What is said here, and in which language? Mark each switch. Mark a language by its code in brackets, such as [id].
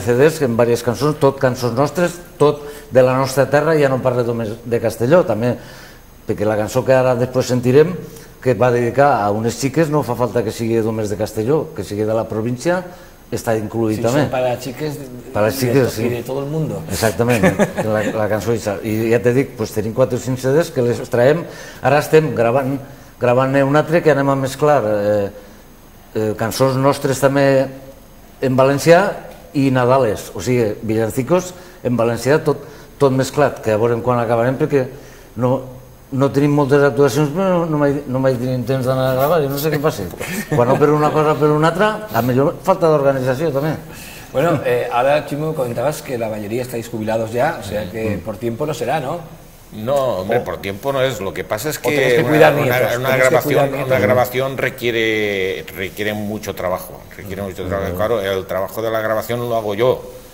[es] CDs en varias canciones, todo canciones nuestras, todo de la nuestra tierra, ya no parle de Castelló, también, porque la canción que ahora después sentiremos, que va dedicada a unas chicas, [ca] no fa falta que siga només de Castelló, [es] que siga de la provincia, está incluido sí, también. Para chiques, sí. Y de todo el mundo. Exactamente, la canción esa. Y ya te digo, pues tenemos 4 o 5 CDs que les traem. Ahora estamos grabando [ca] un altre que anem a mezclar canciones nostres también en valencià y nadales, o sigui, villancicos en valencià, tot mezclat, que a veure quan acabarem, perquè no tenim moltes actuacions, però no mai tenim temps d'anar a gravar i no sé què passa. Quan no per una cosa, per una altra, a millor falta d'organització també. [es] Bueno, ara, Chimo, comentabas que la majoria estáis jubilados ja, o sea que por tiempo no será, ¿no? No, hombre, por tiempo no es. Lo que pasa es que una grabación requiere mucho trabajo. Claro, el trabajo de la grabación lo hago yo.